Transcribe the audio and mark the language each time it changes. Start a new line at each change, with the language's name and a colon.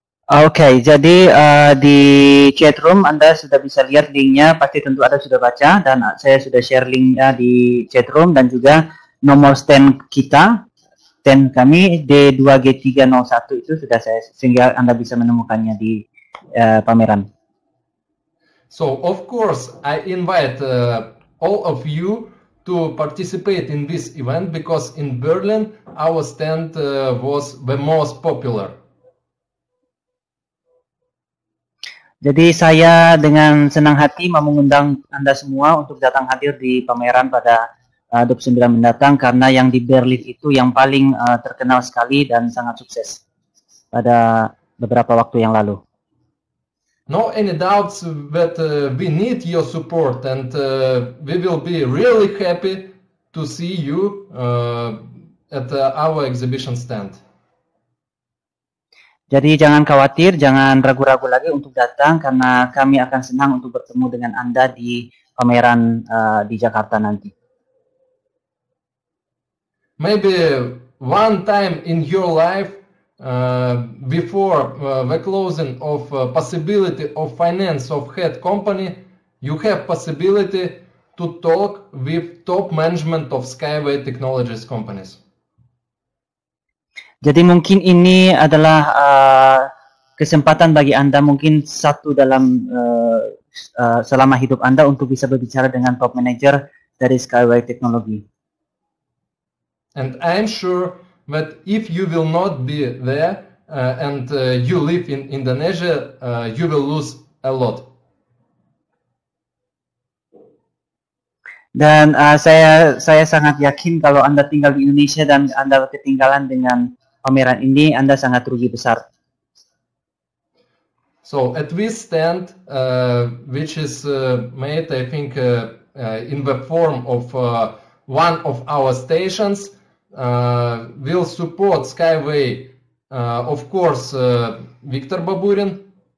Indonesian: Okay, jadi di chat room Anda sudah bisa lihat linknya, pasti tentu Anda sudah baca dan saya sudah share linknya di chat room dan juga nomor stand kita, stand kami D2G301 itu sudah saya sehingga Anda bisa menemukannya di pameran.
English: So of course I invite all of you to participate in this event because in Berlin our stand was the most popular.
Indonesian: Jadi saya dengan senang hati mau mengundang Anda semua untuk datang hadir di pameran pada 29 mendatang karena yang di Berlin itu yang paling terkenal sekali dan sangat sukses pada beberapa waktu yang lalu.
English: No any doubts that we need your support and we will be really happy to see you at our exhibition stand.
Indonesian: Jadi jangan khawatir, jangan ragu-ragu lagi untuk datang karena kami akan senang untuk bertemu dengan Anda di pameran di Jakarta nanti.
English: Maybe one time in your life before the closing of possibility of finance of head company, you have possibility to talk with top management of Skyway Technologies companies.
Indonesian: Jadi mungkin ini adalah kesempatan bagi Anda mungkin satu dalam selama hidup Anda untuk bisa berbicara dengan top manager dari Skyway Technology.
English: And I'm sure that if you will not be there and you live in Indonesia, you will lose a lot.
Indonesian: Dan saya sangat yakin kalau Anda tinggal di Indonesia dan Anda ketinggalan dengan pameran ini, Anda sangat rugi besar.
English: So at this stand, which is made, I think, in the form of one of our stations, will support Skyway, of course, Viktor Baburin.